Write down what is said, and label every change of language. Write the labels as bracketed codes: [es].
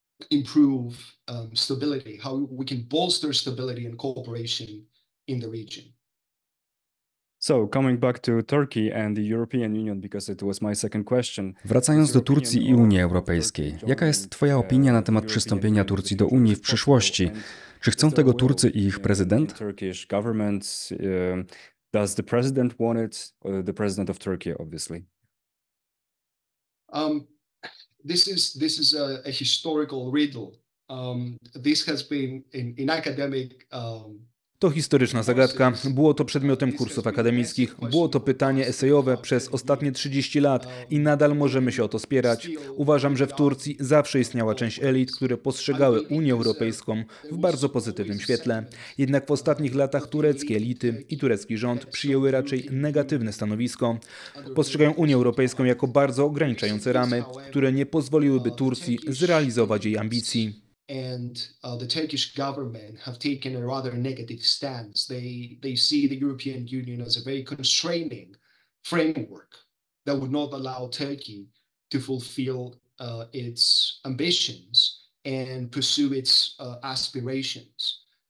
[en] Improve stability, how we can bolster stability and cooperation in the region. So, coming back to Turkey and the European Union, because it was my second question. [pl] Wracając do Turcji i Unii Europejskiej, jaka jest Twoja opinia na temat przystąpienia Turcji do Unii w przyszłości? Czy chcą tego Turcy i ich prezydent? [en] Turkish government, does the president want it? The president of Turkey, obviously. This is a historical riddle. This has been in academic. [pl] To historyczna zagadka. Było to przedmiotem kursów akademickich. Było to pytanie esejowe przez ostatnie 30 lat i nadal możemy się o to spierać. Uważam, że w Turcji zawsze istniała część elit, które postrzegały Unię Europejską w bardzo pozytywnym świetle. Jednak w ostatnich latach tureckie elity i turecki rząd przyjęły raczej negatywne stanowisko. Postrzegają Unię Europejską jako bardzo ograniczające ramy, które nie pozwoliłyby Turcji zrealizować jej ambicji. [en] And the Turkish government have taken a rather negative stance. They see the European Union as a very constraining framework that would not allow Turkey to fulfill its ambitions and pursue its aspirations.